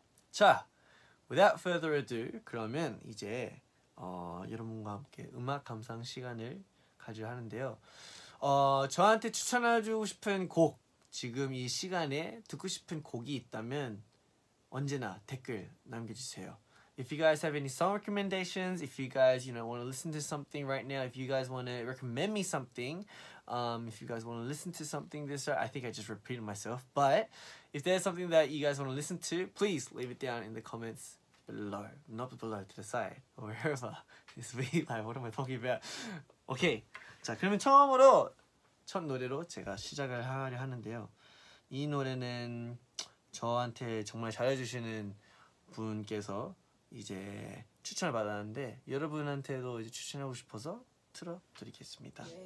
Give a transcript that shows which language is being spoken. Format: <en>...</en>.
<ko>자,</ko> <en>without further ado,</en> <ko>그러면 이제 여러분과 함께 음악 감상 시간을 가져야 하는데요. 저한테 추천해주고 싶은 곡, 지금 이 시간에 듣고 싶은 곡이 있다면 언제나 댓글 남겨주세요.</ko> <en>If you guys have any song recommendations, if you guys, you know, want to listen to something right now, if you guys want to recommend me something, if you guys want to listen to something this or I think I just repeated myself, but if there's something that you guys want to listen to, please leave it down in the comments below. Not below, to the side, or wherever. It's me, like, what am I talking about?</en> <ko>Okay, 자, 그러면 처음으로, 첫 노래로 제가 시작을 하려 하는데요. 이 노래는 저한테 정말 잘해주시는 분께서 이제 추천을 받았는데 여러분한테도 이제 추천하고 싶어서 틀어 드리겠습니다.</ko>